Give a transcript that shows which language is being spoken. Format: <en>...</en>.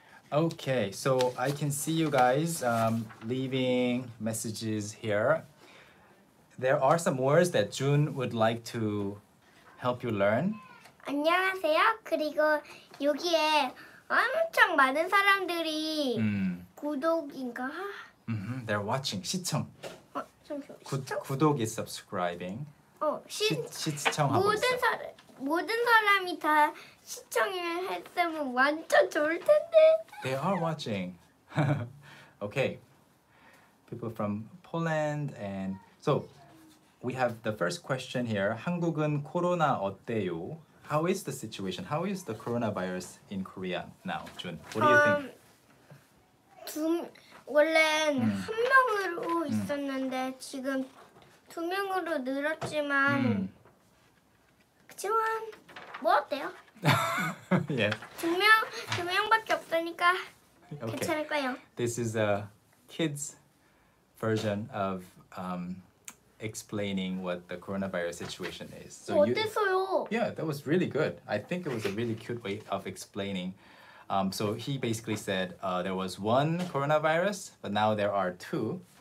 <en>Okay, so I can see you guys leaving messages here. There are some words that Jun would like to help you learn.</en> <ko>안녕하세요. 그리고 여기에 엄청 많은 사람들이 구독인가?</ko> <en>They're watching.</en> <ko>시청. 시청?</ko> <en>구독 is subscribing.</en> <ko>시청하고 모든 있어. 모든 사람이 다 시청을 했으면 완전 좋을 텐데.</ko> <en>They are watching. Okay. People from Poland and... So, we have the first question here.</en> <ko>한국은 코로나 어때요?</ko> <en>How is the situation? How is the coronavirus in Korea now, Jun? What do you think?</en> <ko>원래는 한 명으로 있었는데 지금 두 명으로 늘었지만 그치만 뭐 어때요?</ko> <en>Yeah.</en> <ko>두 명밖에 없으니까 괜찮을 거예요.</ko> <en>This is a kid's version of explaining what the coronavirus situation is. So</en> <ko>어땠어요?</ko> <en>Yeah, that was really good. I think it was a really cute way of explaining. So he basically said there was one coronavirus, but now there are two.</en>